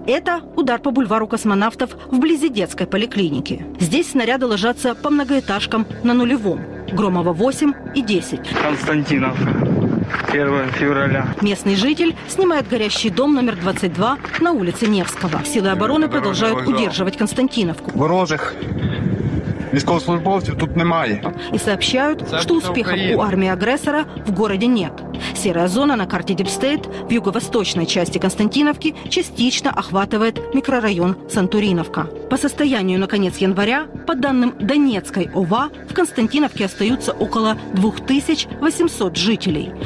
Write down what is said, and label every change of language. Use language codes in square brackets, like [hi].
[ru] Это удар по бульвару космонавтов вблизи детской поликлиники. Здесь снаряды ложатся по многоэтажкам на нулевом. Громова 8 и 10. Константиновка. 1 февраля. Местный житель снимает горящий дом номер 22 на улице Невского. Силы обороны продолжают удерживать Константиновку. [uk] Ворожих військовослужбовців тут немає. [ru] И сообщают, что успехов у армии агрессора в городе нет. Серая зона на карте Deep State в юго-восточной части Константиновки частично охватывает микрорайон Сантуриновка. По состоянию на конец января, по данным Донецкой ОВА, в Константиновке остаются около 2800 жителей.